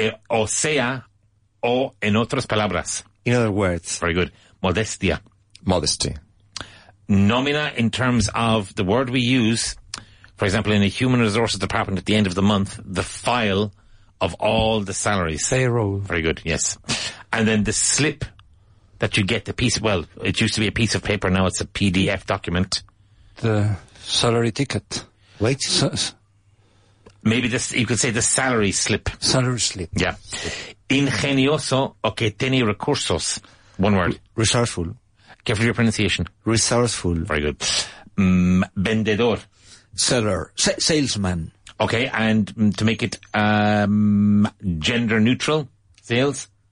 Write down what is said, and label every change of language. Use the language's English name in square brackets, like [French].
[Spanish] O sea, o en otras palabras. [English] In other words. Very good. Modestia. Modesty. Nómina in terms of the word we use, for example, in a human resources department at the end of the month, the file of all the salaries. Payroll. Very good, yes. And then the slip that you get, it used to be a piece of paper, now it's a PDF document. The salary ticket. Wait. Maybe you could say the salary slip. Salary slip. Yeah. [Spanish] Ingenioso o que tiene recursos. [English] One word. Resourceful. Careful your pronunciation. Resourceful. Very good. Vendedor. Seller. Salesman. Okay, and to make it gender neutral, sales?